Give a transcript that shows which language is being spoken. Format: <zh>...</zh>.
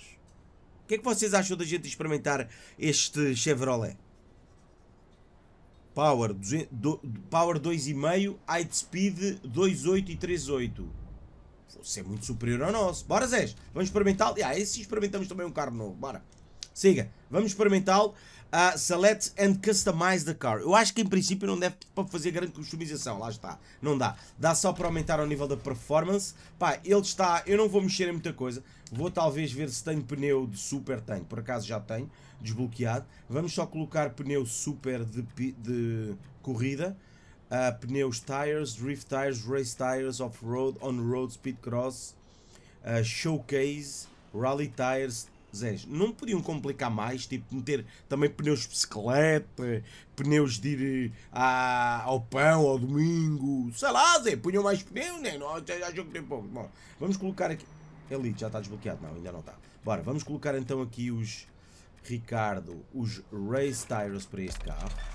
<pt>O que é que vocês acham da gente experimentar este Chevrolet?</pt> <en>Power 2,5, high speed 2,8 e 3,8.</en> <pt>Você é muito superior ao nosso. Bora, Zés. Vamos experimentá-lo. Ah, esse experimentamos também um carro novo. Bora. Siga, vamos experimentá-lo.</pt> <en>Select and customize the car.</en> <pt>Eu acho que em princípio não deve para fazer grande customização. Lá está, não dá. Dá só para aumentar o nível da performance. Pá, ele está. Eu não vou mexer em muita coisa. Vou talvez ver se tenho pneu de super. Tenho, por acaso já tenho desbloqueado. Vamos só colocar pneu super de corrida.</pt> <en>Pneus tires, drift tires, race tires, off-road, on-road, speed cross, showcase, rally tires.</en> <pt>Zés, não podiam complicar mais, tipo, meter também pneus de bicicleta, pneus de ir ao pão, ao domingo, sei lá, Zé, punham mais pneus, né? Não, bom, vamos colocar aqui, Elite, já está desbloqueado, não, ainda não está. Bora, vamos colocar então aqui os, Ricardo, os race tires para este carro.</pt>